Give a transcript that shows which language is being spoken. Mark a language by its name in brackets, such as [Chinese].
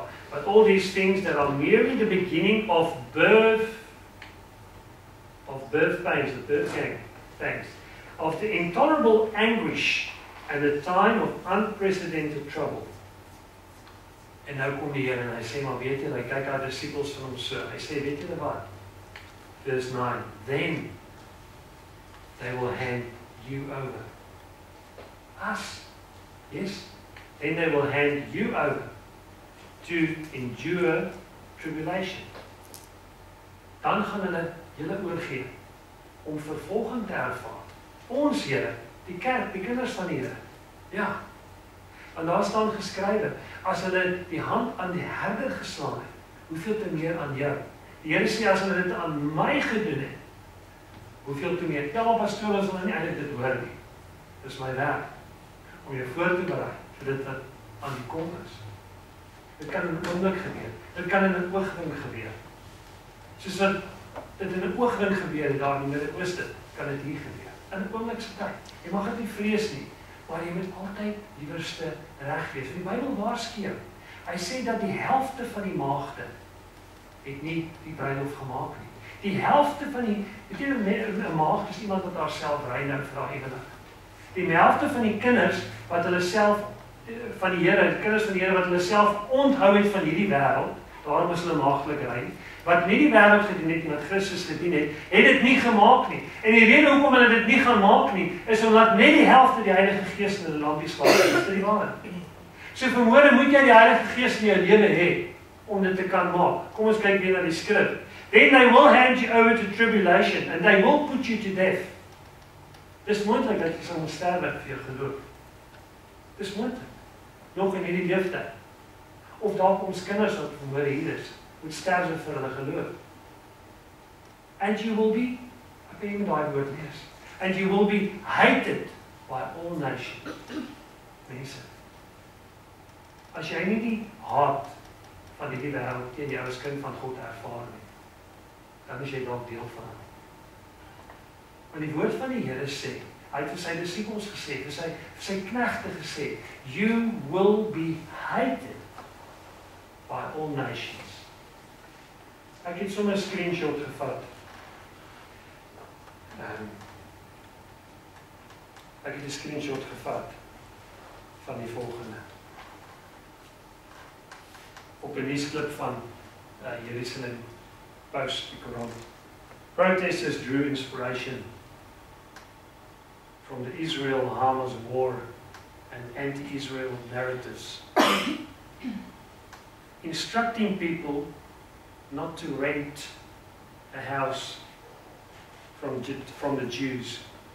[English] But all these things that are merely the beginning of birth pains, the birth pangs, of the intolerable anguish and the time of unprecedented trouble. [Afrikaans] En nou kom die Here en hy sê, maar weet jy, hy kyk aan disciples van hom so, hy sê, weet jy wat? [English] Verse 9, then they will hand you over. Us, yes, then they will hand you over to endure tribulation. [Afrikaans] Dan gaan hulle julle oorgee om vervolging te ervaar. Ons Here, die kerk, die kinders van die Here. Ja. En daar staan geskrywe, as hulle die hand aan die herder geslaan het, hoeveel te meer aan jou? Die Here sê, as hulle dit aan my gedoen het, hoeveel te meer? Tel op as toe hulle sal nie eindelijk dit hoor nie. Dis my werk, om jou voor te bereid, vir dit wat aan die kom is. Dit kan in een oomblik gebeur, dit kan in een oogwink gebeur. Soos wat dit in 'n oogwink gebeur het daar in die Midde-Ooste, kan dit hier gebeur. In 'n oomblikse tyd. Jy mag dit nie vrees nie, maar jy moet altyd liewerste reg wees. En die Bybel waarskei. Hy sê dat die helfte van die maagde het nie die bruilof gemaak nie. Die helfte van die, weet jy, een maagd is iemand wat haar self reinig vir haar ewenig. Die helfte van die kinders wat hulle self, van die Here, die kinders van die Here wat hulle self onthou het van hierdie wêreld, daarom is hulle maagdelik rein, wat nie die wêreld gedien het, wat Christus gedien het, het dit nie gemaak nie. En die rede hoekom hulle dit nie gaan maak nie, is omdat net die helfte die Heilige Gees in hulle lampies vat, is dit die waarheid. So vanmôre moet jy die Heilige Gees in jou lewe hê om dit te kan maak. Kom ons kyk weer na die skrif. [English] Then they will hand you over to tribulation and they will put you to death. [Afrikaans] Dis moontlik dat jy sal sterf vir jou geloof. Dis moontlik. Nog in hierdie lewe. Of dalk ons kinders wat vanmôre hier is, moet sterf vir hulle geloof. [English] And you will be, [Afrikaans] ek weet nie daai woord lees. [English] And you will be hated by all nations. [Afrikaans] Mense. As jy nie die haat van die wêreld teen jou as kind van God ervaar nie, dan is jy dalk deel van hom. Want die woord van die Here sê, hy het vir sy disippels gesê, vir sy knegte gesê, [English] you will be hated by all nations. [Afrikaans] Ek het sommer 'n screenshot gevat. Ek het 'n screenshot gevat van die volgende. Op een nieuwsclip van Jerusalem Post, die Koran. [English] Protesters drew inspiration from the Israel-Hamas war and anti-Israel narratives, instructing people not to rent a house from the Jews.